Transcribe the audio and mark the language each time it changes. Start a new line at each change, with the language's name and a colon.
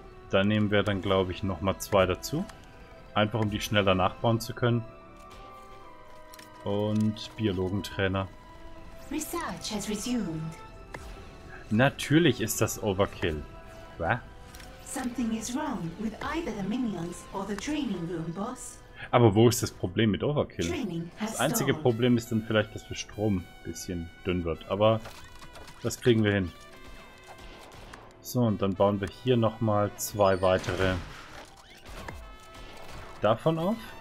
German: Da nehmen wir dann, glaube ich, noch mal zwei dazu. Einfach, um die schneller nachbauen zu können. Und Biologentrainer.
English: Research has resumed.
German: Natürlich ist das Overkill. Was?
English: Something is wrong with either the minions or the training room, boss.
German: Aber wo ist das Problem mit Overkill? Das einzige Problem ist dann vielleicht, dass der Strom ein bisschen dünn wird, aber... Das kriegen wir hin. So, und dann bauen wir hier nochmal zwei weitere davon auf.